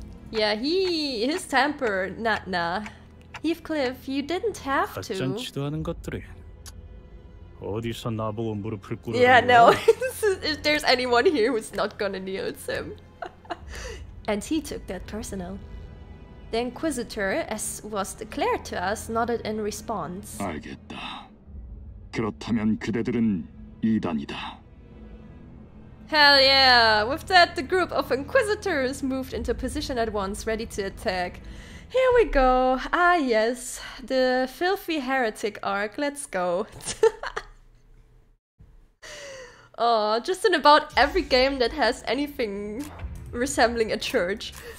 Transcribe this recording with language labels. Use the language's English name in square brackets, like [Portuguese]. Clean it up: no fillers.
[English] Yeah, his temper, Heathcliff, you didn't have to. [Korean] 가짠치도 않은 것들이 어디서 나보고 무릎을 꿇어. [English] Yeah, no, if there's anyone here who's not gonna kneel, it's him. And he took that personal. The Inquisitor, as was declared to us, nodded in response. [Korean] 알겠다. 그렇다면 그대들은 이단이다. [English] Hell yeah! With that, the group of Inquisitors moved into position at once, ready to attack. Here we go. Ah yes, the filthy heretic arc. Let's go. Oh, just in about every game that has anything resembling a church.